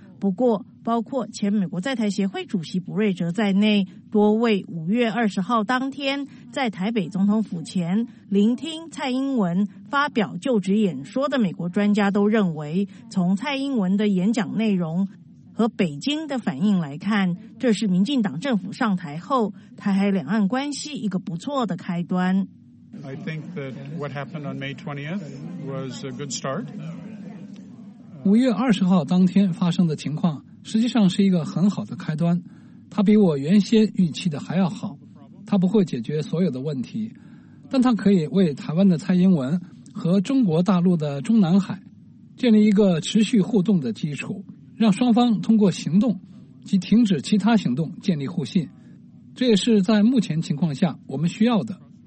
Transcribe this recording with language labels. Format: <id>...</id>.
<zh>不过包括前美国在台协会主席卜瑞哲在内，多位5月20号当天在台北总统府前聆听蔡英文发表就职演说的美国专家都认为，从蔡英文的演讲内容和北京的反应来看，这是民进党政府上台后台海两岸关系一个不错的开端。</zh> <en>I think that what happened on May 20th was a good start.</en> <zh>5月20号当天发生的情况实际上是一个很好的开端，它比我原先预期的还要好，它不会解决所有的问题，但它可以为台湾的蔡英文和中国大陆的中南海建立一个持续互动的基础，让双方通过行动及停止其他行动建立互信，这也是在目前情况下我们需要的。</zh>